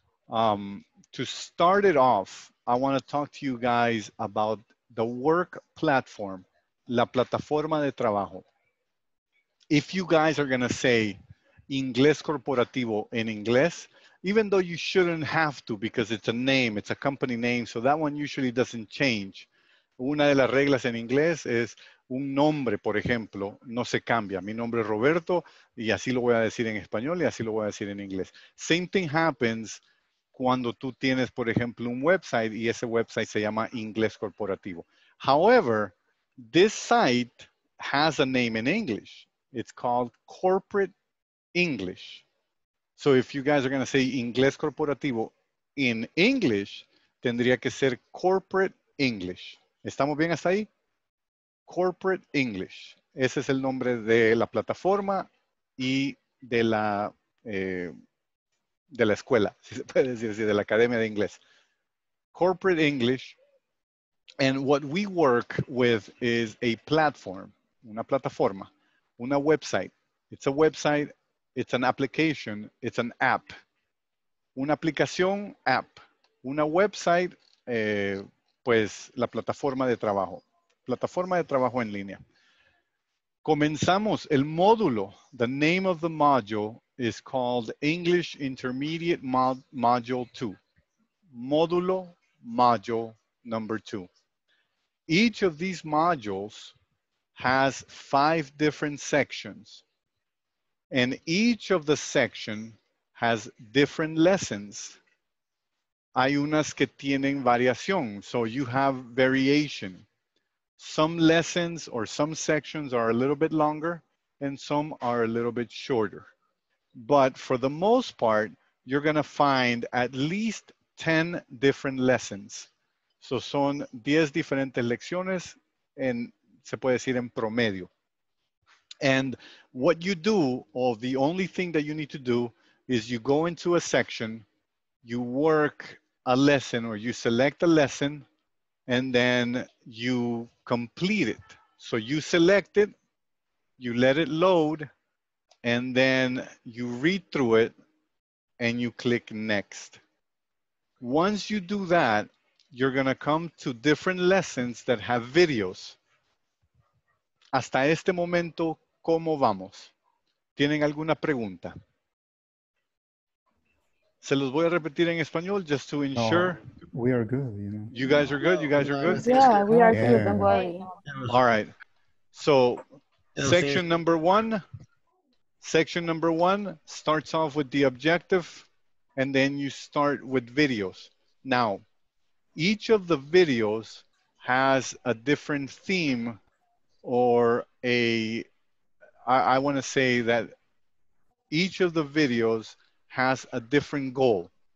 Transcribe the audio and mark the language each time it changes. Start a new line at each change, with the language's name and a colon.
English: To start it off, I want to talk to you guys about the work platform,
Spanish: la plataforma de trabajo.
English: If you guys are going to say Inglés Corporativo in Inglés, even though you shouldn't have to because it's a name, it's a company name, so that one usually doesn't change.
Spanish: Una de las reglas en inglés es un nombre, por ejemplo, no se cambia. Mi nombre es Roberto y así lo voy a decir en español y así lo voy a decir en inglés.
English: Same thing happens
Spanish: cuando tú tienes, por ejemplo, un website y ese website se llama Inglés Corporativo.
English: However, this site has a name in English. It's called Corporate English. So if you guys are going to say Inglés Corporativo in English,
Spanish: tendría que ser
English: Corporate English.
Spanish: ¿Estamos bien hasta ahí?
English: Corporate English.
Spanish: Ese es el nombre de la plataforma y de la escuela, si se puede decir así, de la Academia de Inglés.
English: Corporate English. And what we work with is a platform,
Spanish: una plataforma, una website.
English: It's a website, it's an application, it's an app.
Spanish: Una aplicación, app. Una website, pues la plataforma de trabajo en línea. Comenzamos el módulo.
English: The name of the module is called English Intermediate Module 2. Módulo, module number 2. Each of these modules has 5 different sections. And each of the section has different lessons.
Spanish: Hay unas que tienen variación,
English: so you have variation. Some lessons or some sections are a little bit longer and some are a little bit shorter. But for the most part, you're gonna find at least 10 different lessons.
Spanish: So son 10 diferentes lecciones en, se puede decir en promedio.
English: And what you do, or the only thing that you need to do is you go into a section, you work a lesson or you select a lesson and then you complete it. So you select it, you let it load, and then you read through it and you click next. Once you do that, you're gonna come to different lessons that have videos.
Spanish: Hasta este momento, ¿cómo vamos? ¿Tienen alguna pregunta? Se los voy a repetir en español,
English: just to ensure. No, we are good, you know. You guys are good, you guys are good? Yeah, we are good, don't worry. All right, so section number one. Section number one starts off with the objective and then you start with videos. Now, each of the videos has a different theme or a, I want to say that each of the videos has a different goal.